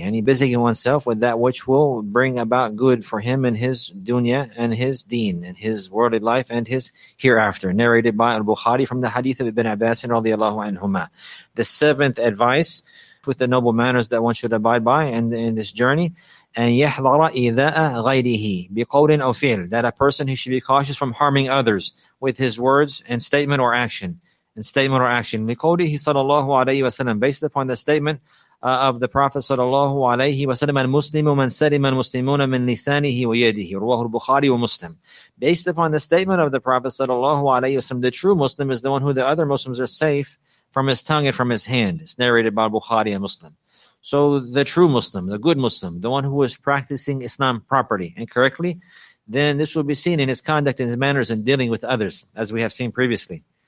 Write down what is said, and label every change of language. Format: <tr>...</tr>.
<en>And he busying oneself with that which will bring about good for him and his dunya and his deen and his worldly life and his hereafter. Narrated by Al-Bukhari from the hadith of Ibn Abbas radiallahu anhuma. The seventh advice with the noble manners that one should abide by in this journey.</en> <ar>And يَحْضَرَ إِذَاءَ غَيْرِهِ بِقَوْلٍ أَوْ فِيلٍ.</ar> <en>That a person, he should be cautious from harming others with his words and statement or action.</en> <ar>لِقَوْلِهِ صَلَى اللَّهُ عَلَيْهِ وَسَلَمَ.</ar> <en>Based upon the statement of the Prophet</en> <ar>صلى الله عليه وسلم, المسلم من سلم المسلمون من لسانه ويده. رواه البخاري ومسلم.</ar> <en>Based upon the statement of the Prophet صلى الله عليه وسلم, the true Muslim is the one who the other Muslims are safe from his tongue and from his hand. It's narrated by Bukhari and Muslim. So the true Muslim, the good Muslim, the one who is practicing Islam properly and correctly, then this will be seen in his conduct and his manners in dealing with others, as we have seen previously.</en>